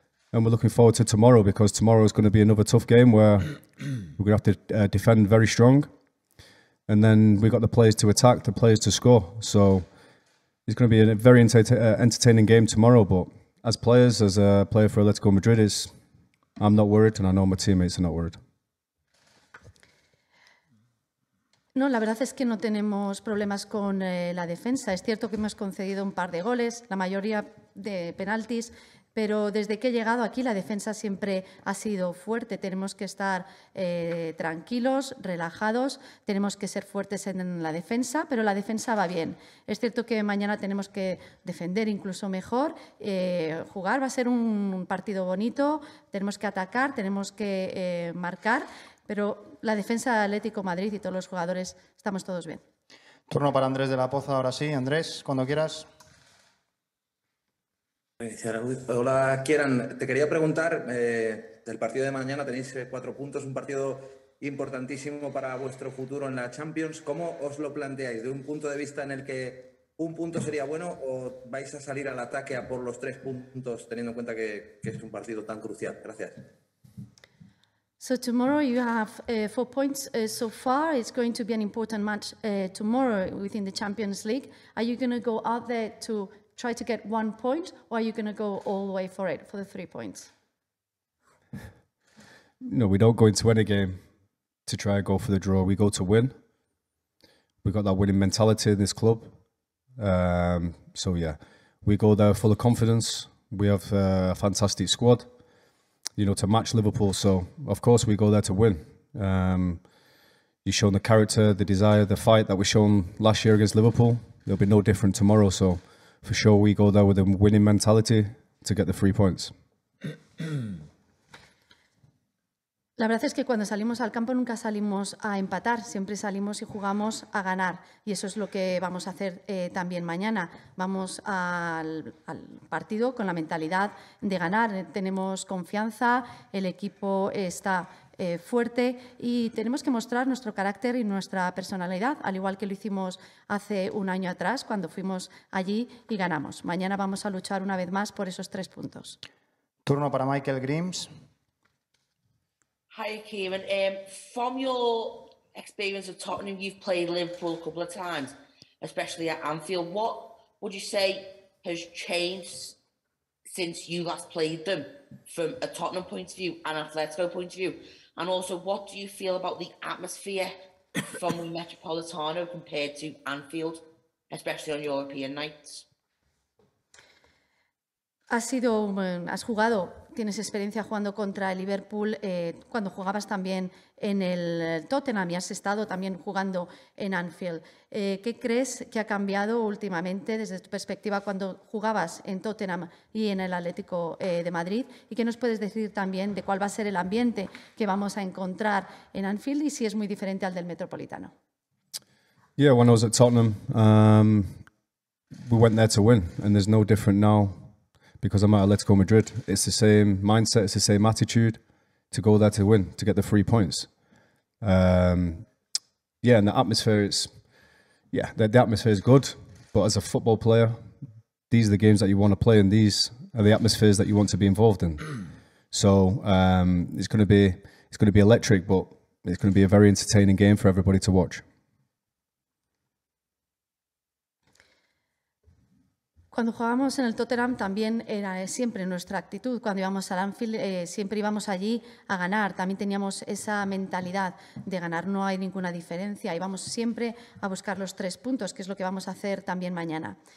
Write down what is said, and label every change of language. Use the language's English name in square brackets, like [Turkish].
[English] And we're looking forward to tomorrow because tomorrow is going to be another tough game where we're going to have to defend very strong. And then we've got the players to attack, the players to score. So it's going to be a very entertaining game tomorrow. But as players, as a player for Atlético Madrid, I'm not worried and I know my teammates are not worried. [Spanish] No, la verdad es que no tenemos problemas con la defensa. Es cierto que hemos concedido un par de goles, la mayoría de penaltis. Pero desde que he llegado aquí la defensa siempre ha sido fuerte. Tenemos que estar tranquilos, relajados, tenemos que ser fuertes en la defensa, pero la defensa va bien. Es cierto que mañana tenemos que defender incluso mejor, jugar va a ser un partido bonito, tenemos que atacar, tenemos que marcar, pero la defensa de Atlético Madrid y todos los jugadores estamos todos bien. Turno para Andrés de la Poza ahora sí. Andrés, cuando quieras. Hola, Kieran. Te quería preguntar, del partido de mañana tenéis 4 puntos, un partido importantísimo para vuestro futuro en la Champions. ¿Cómo os lo planteáis? ¿De un punto de vista en el que un punto sería bueno o vais a salir al ataque a por los 3 puntos teniendo en cuenta que es un partido tan crucial? Gracias. [English] So tomorrow you have 4 points so far. It's going to be an important match tomorrow within the Champions League. Are you going to go out there to try to get 1 point, or are you going to go all the way for it, for the 3 points? No, we don't go into any game to try and go for the draw. We go to win. We've got that winning mentality in this club. So yeah, we go there full of confidence. We have a fantastic squad, you know, to match Liverpool. So of course we go there to win. You've shown the character, the desire, the fight that we've shown last year against Liverpool. It'll be no different tomorrow. So for sure we go there with a winning mentality to get the 3 points. [Spanish] La verdad es que cuando salimos al campo nunca salimos a empatar, siempre salimos y jugamos a ganar. Y eso es lo que vamos a hacer también mañana. Vamos al partido con la mentalidad de ganar. Tenemos confianza, el equipo está fuerte y tenemos que mostrar nuestro carácter y nuestra personalidad, al igual que lo hicimos hace un año atrás cuando fuimos allí y ganamos. Mañana vamos a luchar una vez más por esos 3 puntos. Turno para Michael Grimes. [English] Hi, Kieran. From your experience of Tottenham, you've played Liverpool a couple of times, especially at Anfield. What would you say has changed since you last played them from a Tottenham point of view and Atletico point of view? And also, what do you feel about the atmosphere from the Metropolitano compared to Anfield, especially on European nights? [Spanish] Has jugado, tienes experiencia jugando contra el Liverpool cuando jugabas también en el Tottenham y has estado también jugando en Anfield. ¿Qué crees que ha cambiado últimamente desde tu perspectiva cuando jugabas en Tottenham y en el Atlético de Madrid? ¿Y qué nos puedes decir también de cuál va a ser el ambiente que vamos a encontrar en Anfield y si es muy diferente al del Metropolitano? [English] Yeah, when I was at Tottenham, we went there to win and there's no different now. Because I'm at Atletico Madrid, it's the same mindset, it's the same attitude to go there to win, to get the 3 points. Yeah, and the atmosphere is, yeah, the atmosphere is good. But as a football player, these are the games that you want to play and these are the atmospheres that you want to be involved in. So it's going to be electric, but it's going to be a very entertaining game for everybody to watch. [Spanish] Cuando jugábamos en el Tottenham también era siempre nuestra actitud. Cuando íbamos al Anfield siempre íbamos allí a ganar. También teníamos esa mentalidad de ganar. No hay ninguna diferencia. Íbamos siempre a buscar los 3 puntos, que es lo que vamos a hacer también mañana.